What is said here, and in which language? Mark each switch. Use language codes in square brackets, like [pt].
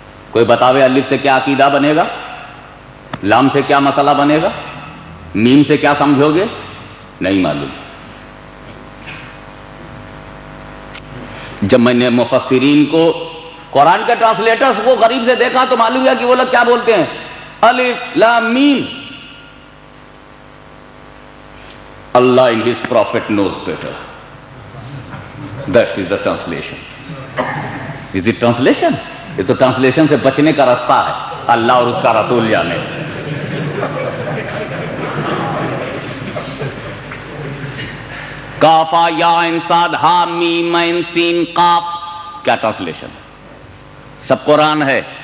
[ur] کوئی بتاوے الف سے کیا عقیدہ بنے گا, لام سے کیا مسئلہ بنے گا, میم سے کیا سمجھو گے؟ نہیں معلوم. جب میں نے مفسرین کو, قرآن کے ٹرانسلیٹرز کو غریب سے دیکھا تو معلوم ہوا کہ وہ لوگ کیا بولتے ہیں, الف لام میم. [en] Allah and his prophet knows better, that is the translation. Is it translation? [ur] یہ تو ٹرانسلیشن سے بچنے کا راستہ ہے, اللہ اور اس کا رسول جانے. کافا یا انساد ہا میم عین سین قاف, کیا ٹرانسلیشن؟ سب قرآن ہے.